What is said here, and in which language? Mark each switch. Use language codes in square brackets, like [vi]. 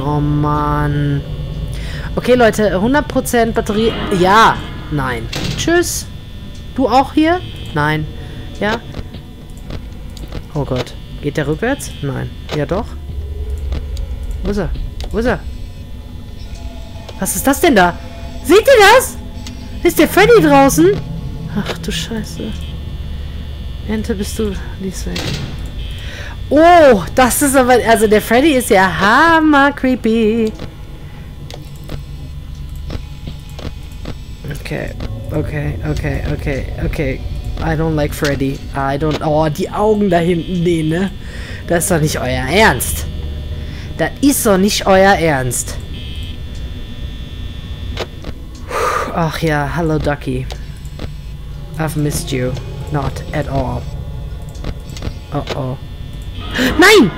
[de] Oh Mann. Okay, Leute, 100% Batterie. Ja. Nein. Tschüss. Du auch hier? Nein. Ja. Oh Gott. Geht der rückwärts? Nein. Ja, doch. Wo ist er? Wo ist er? Was ist das denn da? Seht ihr das? Ist der Freddy draußen? Ach, du Scheiße. Ente, bist du... Lies weg. Oh, das ist aber... Also, der Freddy ist ja hammer creepy. [en] Okay, okay, okay, okay, okay. I don't like Freddy. I don't... [de] Oh, die Augen da hinten, nee, ne? Das ist doch nicht euer Ernst. Das ist doch nicht euer Ernst. Ach ja, [en] hello Ducky. I've missed you. Not at all. Oh oh. [de] Nein!